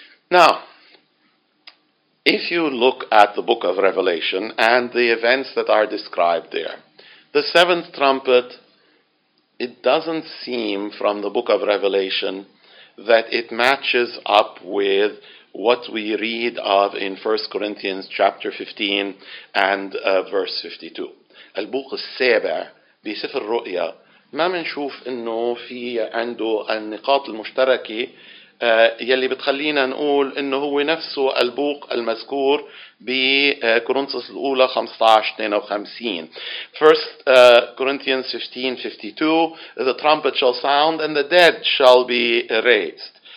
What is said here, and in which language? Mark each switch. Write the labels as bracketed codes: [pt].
[en] Now, if you look at the book of Revelation and the events that are described there, the seventh trumpet, it doesn't seem from the book of Revelation that it matches up with what we read of in 1 Corinthians chapter 15 and verse 52. [ar] البوق السابع بسفر الرؤيا ما منشوف انه في عنده النقاط المشتركة يلي بتخلينا نقول انه هو نفسه البوق المذكور بكورنثوس الاولى 15:52. [en] First Corinthians 15:52, the trumpet shall sound and the dead shall be raised.